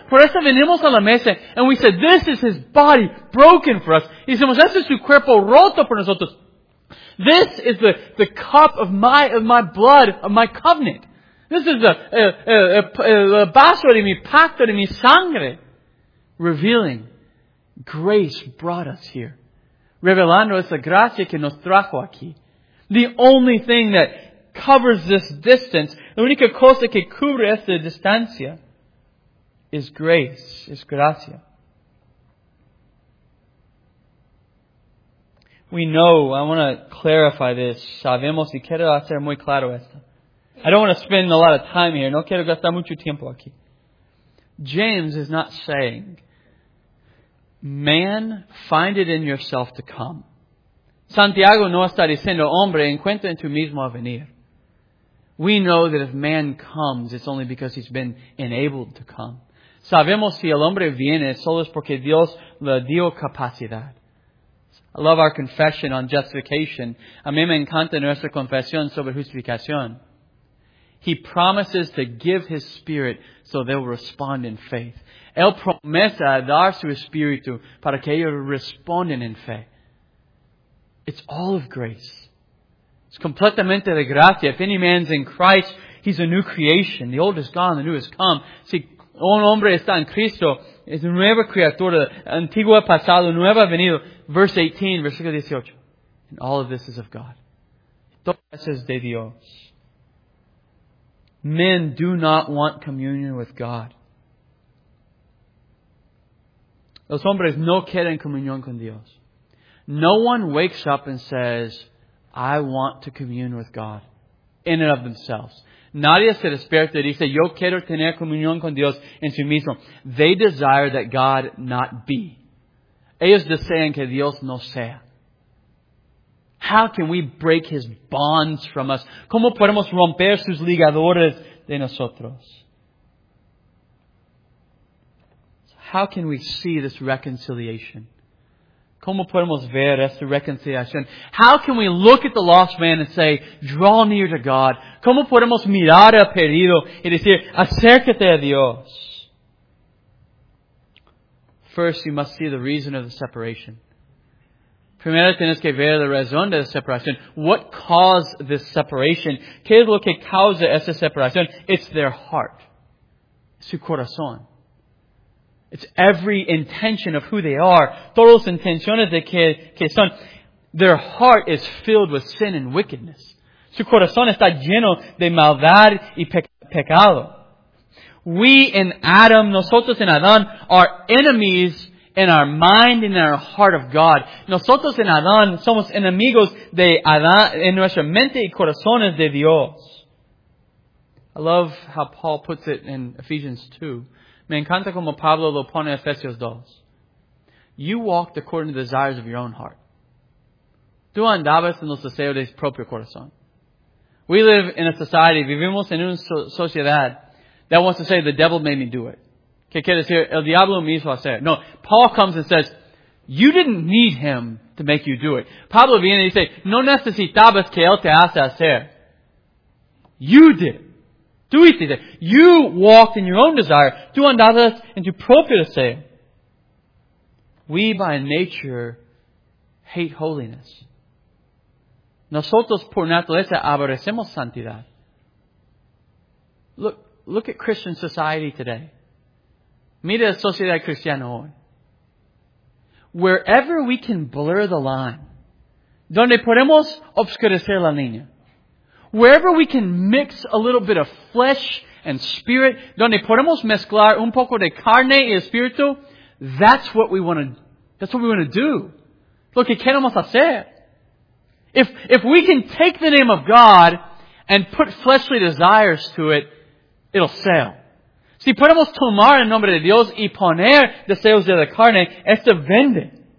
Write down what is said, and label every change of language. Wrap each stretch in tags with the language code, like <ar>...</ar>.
<es>Por eso venimos a la mesa</es> <en>and we say, this is His body broken for us.</en> <es>Y decimos, este es su cuerpo roto por nosotros.</es> <en>This is the cup of my blood, of my covenant. This is the</en> <es>vaso de mi pacto, de mi sangre.</es> <en>Revealing, grace brought us here.</en> <es>Revelando esa gracia que nos trajo aquí.</es> <en>The only thing that covers this distance,</en> <es>la única cosa que cubre esta distancia,</es> <en>is grace, is gracia. We know, I want to clarify this.</en> <es>Sabemos y quiero hacer muy claro esto.</es> <en>I don't want to spend a lot of time here.</en> <es>No quiero gastar mucho tiempo aquí.</es> <en>James is not saying, man, find it in yourself to come.</en> <es>Santiago no está diciendo, hombre, encuentra en tu mismo a venir.</es> <en>We know that if man comes, it's only because he's been enabled to come.</en> <es>Sabemos si el hombre viene, solo es porque Dios le dio capacidad.</es> <en>I love our confession on justification.</en> <es>A mí me encanta nuestra confesión sobre justificación.</es> <en>He promises to give His Spirit so they'll respond in faith.</en> <es>Él promesa dar su Espíritu para que ellos respondan en fe.</es> <en>It's all of grace. It's</en> <es>completamente de gracia.</es> <en>If any man's in Christ, he's a new creation. The old is gone, the new has come.</en> <es>Si un hombre está en Cristo, es nueva criatura, antiguo pasado, nueva venido.</es> <en>Verse 18,</en> <es>versículo 18.</es> <en>And all of this is of God.</en> <es>Todo eso es de Dios.</es> <en>Men do not want communion with God.</en> <es>Los hombres no quieren comunión con Dios.</es> <en>No one wakes up and says, I want to commune with God. In and of themselves.</en> <es>Nadie se despierta y dice, yo quiero tener comunión con Dios en sí mismo.</es> <en>They desire that God not be.</en> <es>Ellos desean que Dios no sea.</es> <en>How can we break His bonds from us?</en> <es>¿Cómo podemos romper sus ligadores de nosotros?</es> <en>How can we see this reconciliation?</en> <es>¿Cómo podemos ver esta reconciliación?</es> <en>How can we look at the lost man and say, draw near to God?</en> <es>¿Cómo podemos mirar al perdido y decir, acércate a Dios?</es> <en>First, you must see the reason of the separation.</en> <es>Primero tienes que ver la razón de la separación.</es> <en>What caused this separation?</en> <es>¿Qué es lo que causa esta separación?</es> <en>It's their heart.</en> <es>Su corazón.</es> <en>It's every intention of who they are.</en> <es>Todas las intenciones de que son.</es> <en>Their heart is filled with sin and wickedness.</en> <es>Su corazón está lleno de maldad y pecado.</es> <en>We in Adam,</en> <es>nosotros en Adán,</es> <en>are enemies in our mind and in our heart of God.</en> <es>Nosotros en Adán somos enemigos de Adán en nuestra mente y corazones de Dios.</es> <en>I love how Paul puts it in Ephesians 2.</en> <es>Me encanta como Pablo lo pone en Efesios 2.</es> <en>You walked according to the desires of your own heart.</en> <es>Tú andabas en los deseos de tu propio corazón.</es> <en>We live in a society,</en> <es>vivimos en una sociedad</es> <en>that wants to say the devil made me do it.</en> <es>¿Qué quiere decir? El diablo me hizo hacer.</es> <en>No, Paul comes and says, you didn't need him to make you do it.</en> <es>Pablo viene y dice, no necesitabas que él te hace hacer.</es> <en>You did.</en> <es>Tú hiciste.</es> <en>You walked in your own desire.</en> <es>Tú andabas en tu propio deseo.</es> <en>We by nature hate holiness.</en> <es>Nosotros por naturaleza aborrecemos santidad.</es> <en>Look at Christian society today.</en> <es>Mira la sociedad cristiana hoy.</es> <en>Wherever we can blur the line,</en> <es>donde podemos obscurecer la línea.</es> <en>Wherever we can mix a little bit of flesh and spirit,</en> <es>donde podemos mezclar un poco de carne y espíritu,</es> <en>that's what we want to do.</en> <es>Lo que queremos hacer.</es> <en>If we can take the name of God and put fleshly desires to it, it'll sell.</en> <es>Si podemos tomar el nombre de Dios y poner deseos de la carne, esto vende.</es>